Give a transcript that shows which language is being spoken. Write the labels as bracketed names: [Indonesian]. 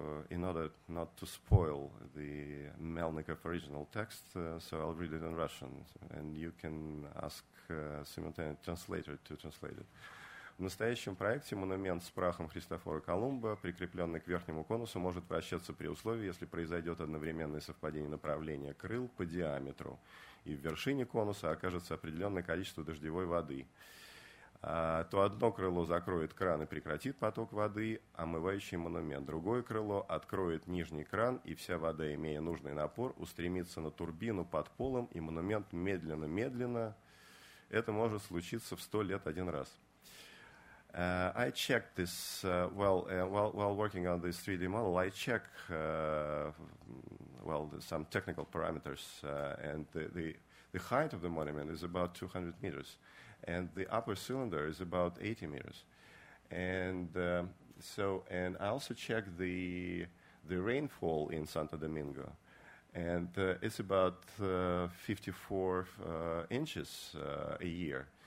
[English] In order not to spoil the Melnikov original text, so I'll read it in Russian, and you can ask simultaneous translator to translate it. [Russian] В настоящем проекте монумент с прахом Христофора Колумба, прикрепленный к верхнему конусу, может вращаться при условии, если произойдет одновременное совпадение направления крыл по диаметру, и в вершине конуса окажется определенное количество дождевой воды. То одно крыло закроет кран и прекратит поток воды, омывающий монумент. Другое крыло откроет нижний кран, и вся вода, имея нужный напор, устремится на турбину под полом, и монумент медленно-медленно. Это может случиться в 100 лет один раз. [English] I checked this while working on this 3D model. I check some technical parameters, and the height of the monument is about 200 meters, and the upper cylinder is about 80 meters, and I also check the rainfall in Santo Domingo, and it's about 54 inches a year.